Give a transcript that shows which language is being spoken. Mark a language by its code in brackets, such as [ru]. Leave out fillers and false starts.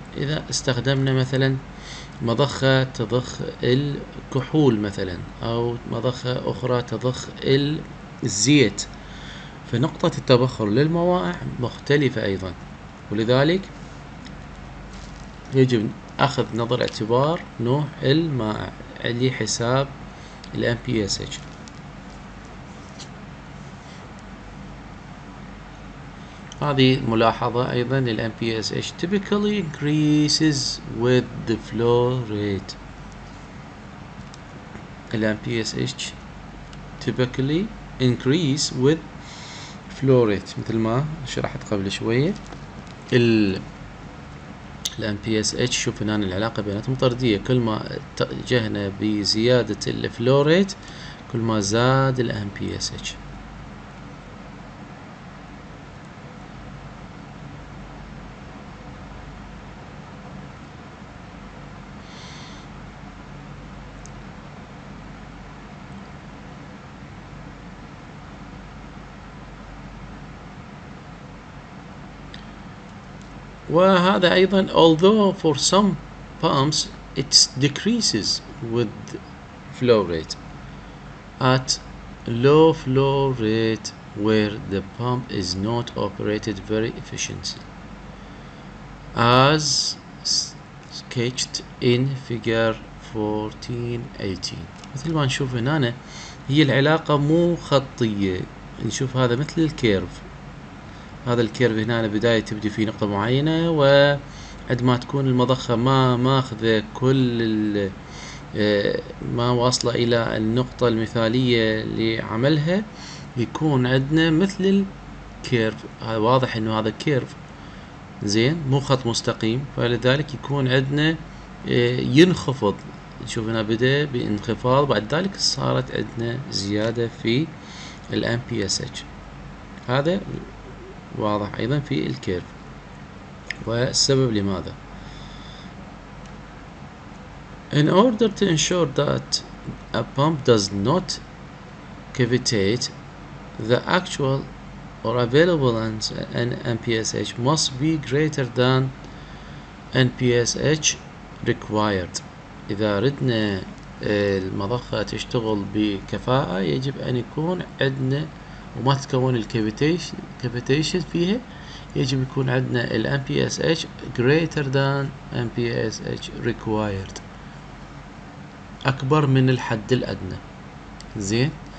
[ar] إذا استخدمنا مثلا مضخة تضخ الكحول مثلا، أو مضخة أخرى تضخ الزيت، فنقطة التبخر للموائع مختلفة أيضا، ولذلك يجب أخذ نظر اعتبار نوع المائع لحساب الـ MPSH. [en] هذه ملاحظة أيضا، الـ MPSH typically increases with the flow rate. الـ MPSH typically increase with flow rate، [ar] مثل ما شرحت قبل شوية. الـ MPSH شوف هنا العلاقة بيناتهم طردية، كل ما اتجهنا بزيادة الـ flow rate كل ما زاد الـ MPSH. وهذا أيضا [en] although for some pumps it decreases with flow rate at low flow rate where the pump is not operated very efficiently as sketched in figure 1418. [ar] مثل ما نشوف هنا هي العلاقة مو خطية، نشوف هذا مثل الكيرف، هذا الكيرف هنا بداية تبدي في نقطة معينة، وعند ما تكون المضخة ما ماخذة كل ما واصلة إلى النقطة المثالية لعملها يكون عندنا مثل الكيرف. واضح إنه هذا كيرف زين مو خط مستقيم، فلذلك يكون عندنا ينخفض. نشوف هنا بدأ بانخفاض بعد ذلك صارت عندنا زيادة في الـ MPSH، هذا واضح ايضا في الكيرف والسبب لماذا. [en] In order to ensure that a pump does not cavitate, the actual or available NPSH must be greater than NPSH required. [ar] اذا ردنا المضخة تشتغل بكفاءة يجب ان يكون عندنا وما تتكون الكافيتيشن فيها، يجب يكون عندنا الـ MPSH [en] greater than MPSH required، [ar] أكبر من الحد الأدنى زين.